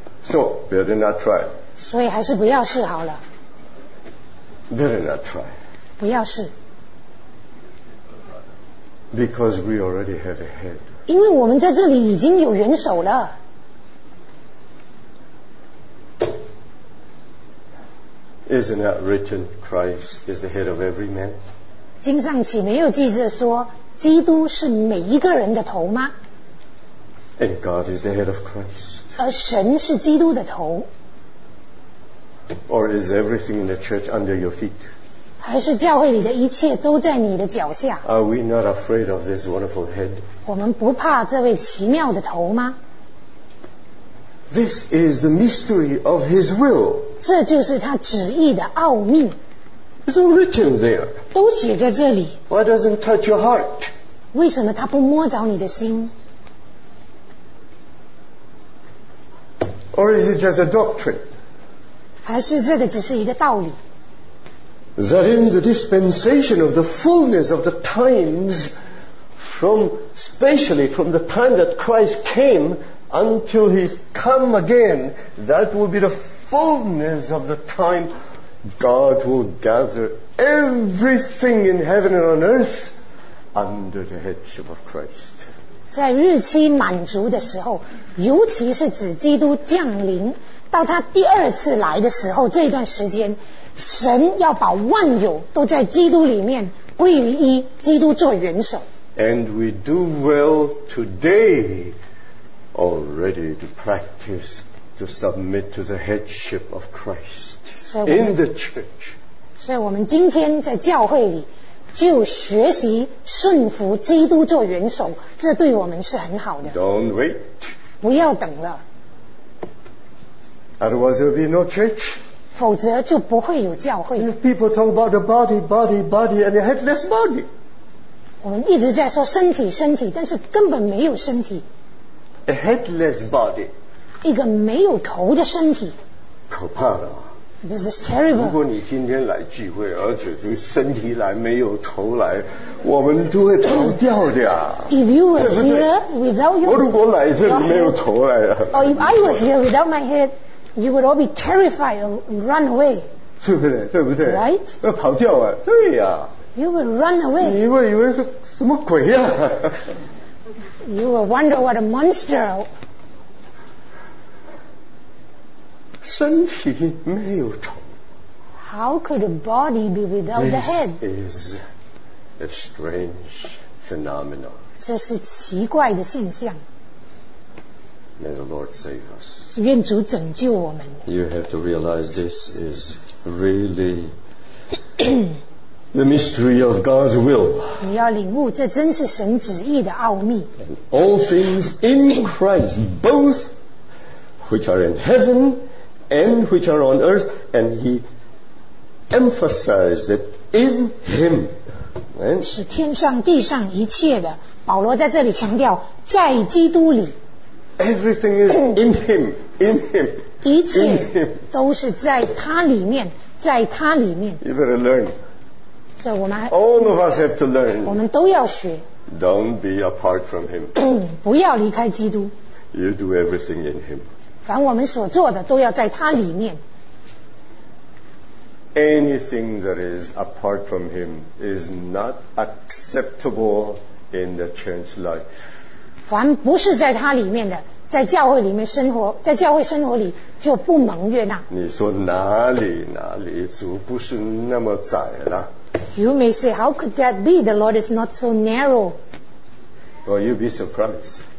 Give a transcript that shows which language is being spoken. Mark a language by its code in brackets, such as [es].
[en] So, better not try. [zh] 所以还是不要试好了。 [en] Better not try. [zh] 不要试。 [en] Because we already have a head. [zh] 因为我们在这里已经有元首了。 [en] Isn't that written, Christ is the head of every man? [zh] 经上岂没有记着说, 基督是每一个人的头吗? [en] And God is the head of Christ. [zh] 而神是基督的头。 [en] Or is everything in the church under your feet? [zh] 还是教会里的一切都在你的脚下? [en] Are we not afraid of this wonderful head? [zh] 我们不怕这位奇妙的头吗? [en] This is the mystery of His will. [zh] 这就是他旨意的奥秘。 [en] It's all written there. [zh] 都写在这里。 [en] Why doesn't touch your heart? [zh] 为什么他不摸着你的心? [en] Or is it just a doctrine? [zh] 还是这个只是一个道理? [en] That in the dispensation of the fullness of the times, from the time that Christ came until He's come again, that will be the fullness of the time. God will gather everything in heaven and on earth under the headship of Christ. [zh] 在日期满足的时候, 尤其是指基督降临, 到他第二次来的时候, 这段时间, 神要把万有都在基督里面, 归于一, 基督做元首。 [en] And we do well today already to practice to submit to the headship of Christ. In the church. [zh] 所以我们今天在教会里 就学习顺服基督做元首, 这对我们是很好的。 [en] Don't wait. [zh] 不要等了。 [en] Otherwise there will be no church. [zh] 否则就不会有教会。 [en] People talk about the body, body, body and a headless body. [zh] 我们一直在说身体, 身体, 但是根本没有身体。 [en] A headless body. [zh] 一个没有头的身体。可怕了。 [en] This is terrible. [zh] 如果你今天来聚会, 而且就身体来, 没有头来, 我们都会跑掉的啊, [en] If you were here without your, [zh] 我如果来这里, 没有头来, [en] or if I were here without my head, you would all be terrified and run away. [zh] 对不对?对不对? [en] Right? [zh] 要跑掉啊, 对啊, [en] you would run away. [zh] 你会以为是什么鬼啊? [en] You would wonder what a monster. [zh] 身体没有头, [en] How could a body be without the head? This is a strange phenomenon. [zh] 这是奇怪的现象。 [en] May the Lord save us. [zh] 愿主拯救我们。 [en] You have to realize this is really the mystery of God's will. [zh] 你要领悟, 这真是神旨意的奥秘。 [en] All things in Christ, both which are in heaven and which are on earth, and He emphasized that in Him, right? [zh] 是天上地上一切的, 保罗在这里强调, 在基督里, [en] everything is in Him, in Him, [zh] 一切都是在他里面, 在他里面, [en] you better learn. So all of us have to learn. [zh] 我们都要学, [en] don't be apart from Him. [zh] 不要离开基督, [en] you do everything in Him. [zh] 凡我们所做的都要在他里面。 [en] Anything that is apart from Him is not acceptable in the church life. [zh] 凡不是在他里面的, 在教会里面生活, 在教会生活里, 就不蒙悦纳。你说哪里, 哪里, 主不是那么窄了。 [en] You may say, how could that be? The Lord is not so narrow. Well, you'd be surprised.